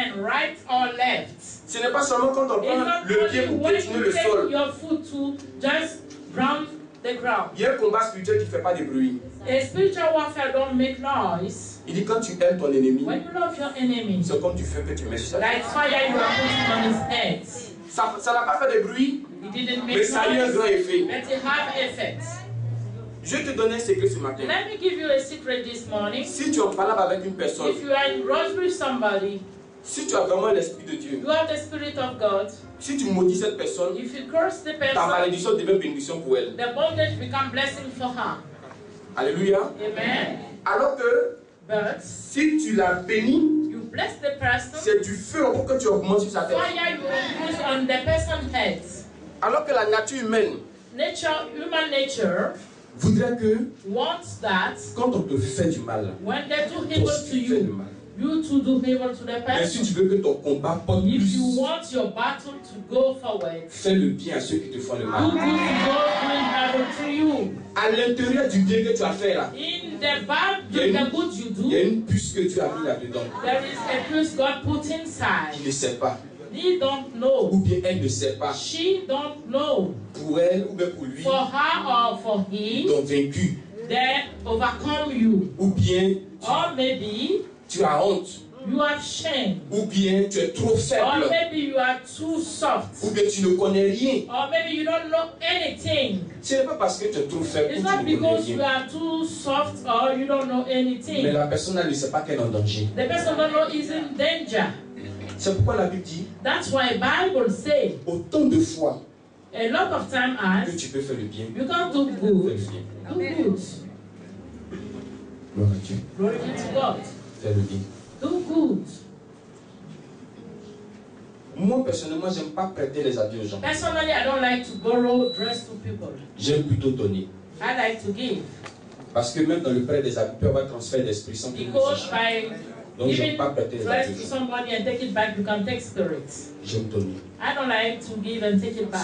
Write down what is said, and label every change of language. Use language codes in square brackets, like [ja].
[en] Right or left. [fr] Ce n'est pas seulement quand on [en] it's [fr] prend le pied pour piétiner le sol. [en] Your foot to just ground the ground. [fr] Il y a un combat spirituel qui ne fait pas de bruit. [en] A spiritual warfare don't make noise. [fr] Il dit quand tu aimes ton ennemi, [en] when you love your enemy, [fr] c'est comme du feu que tu mets sur [en] like fire you are putting on his head. [fr] Ça n'a pas fait de bruit. [en] It didn't make [fr] mais ça a eu un grand effet. [en] But it have effect. [fr] Je vais te donner un secret ce matin. [en] Let me give you a secret this morning. [fr] Si tu en parles avec une personne, [en] if you are in rush with somebody, [fr] si tu as vraiment l'esprit de Dieu, [en] you have the spirit of God. [fr] Si tu maudis cette personne, [en] if you curse the person, [fr] ta malédiction devient bénédiction pour elle. [en] The bondage become blessing for her. [fr] Alléluia. [en] Amen. [fr] Alors que, [en] but [fr] si tu la bénis, [en] you bless the person, [fr] c'est du feu pour que tu augmentes sur sa tête. [en] Fire you increase on the person's head. [fr] Alors que la nature humaine, [en] nature, human nature, [fr] voudrait que [en] wants that [fr] quand on te fait du mal, [en] when they do evil to you, you to do evil to the person. [fr] Mais si tu veux que ton combat porte [en] if [fr] plus, [en] you want your battle to go forward, [fr] fais le bien à ceux qui te font le mal. [en] Do good to evil to you. [fr] À l'intérieur du bien que tu as fait là, [en] in the bad, the good you do, [fr] il y a une puce que tu as mis là dedans. [en] There is a puce God put inside. [fr] Il ne sait pas. [en] He don't know. [fr] Ou bien elle ne sait pas. [en] She don't know. [fr] Pour elle ou bien pour lui. [en] For her or for him. [fr] Ils ont vaincu. [en] They overcome you. [fr] Ou bien. [en] Or maybe. [fr] Tu as honte. [en] You have shame. [fr] Ou bien tu es trop faible. [en] Or maybe you are too soft. [fr] Ou bien tu ne connais rien. [en] Or maybe you don't know anything. [fr] Ce n'est pas parce que tu es trop faible. [en] It's not because you are too soft or you don't know anything. [fr] Mais la personne elle ne sait pas qu'elle est en danger. [en] The person don't know is in danger. [fr] C'est pourquoi la Bible dit. [en] That's why the Bible says. [fr] Autant de fois. [en] A lot of time as. [fr] Que tu peux faire le bien. [en] You can do good. [fr] Fais le bien. [en] Do good. [fr] Gloire à Dieu. [en] Glory be to God. [fr] Fais le bien. [en] Do good. [fr] Moi personnellement, j'aime pas prêter les habits aux gens. [en] Personally, I don't like to borrow dress to people. [fr] J'aime plutôt donner. [en] I like to give. [fr] Parce que même dans le prêt des habits, tu peux avoir transfert d'esprit sans que tu le saches. Donc, je n'aime pas prêter les habits. [en] To somebody and take it back, you can take spirits. [fr] J'aime donner. [en] I don't like to give and take it back.